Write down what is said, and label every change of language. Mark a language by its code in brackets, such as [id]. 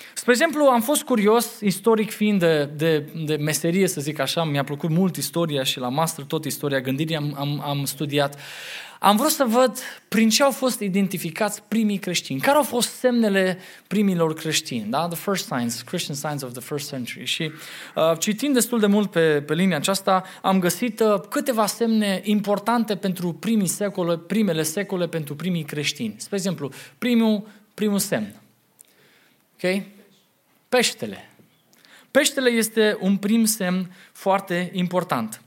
[ro] Spre exemplu, am fost curios, istoric fiind de meserie, să zic așa, mi-a plăcut mult istoria și la master tot istoria gândirii am studiat. Am vrut să văd prin ce au fost identificați primii creștini. Care au fost semnele primilor creștini? Da? [en] The first signs, Christian signs of the first century. [ro] Și citind destul de mult pe linia aceasta, am găsit câteva semne importante pentru primii secole, primele secole pentru primii creștini. Spre exemplu, primul semn. Ok? Peștele. Peștele este un prim semn foarte important.